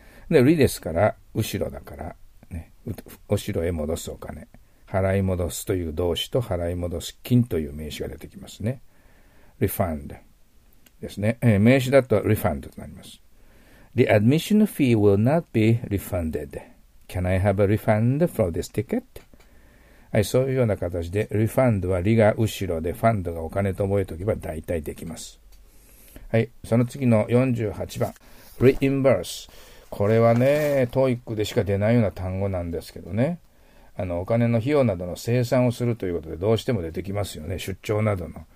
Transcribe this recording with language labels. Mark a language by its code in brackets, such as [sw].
[ja] で、リですから、後ろだから、ね、後ろへ戻すお金。払い戻すという動詞と払い戻す金という名詞が出てきますね。リファンドですね。名詞だとリファンドとなります。 [en] The admission fee will not be refunded. Can I have a refund for this ticket? [ja] はい、そういうような形で、リファンドはリが後ろで、ファンドがお金と覚えておけば大体できます。はい、その次の48番、reimburse。これはね、TOEIC でしか出ないような単語なんですけどね。あの、お金の費用などの精算をするということで、どうしても出てきますよね。出張などの。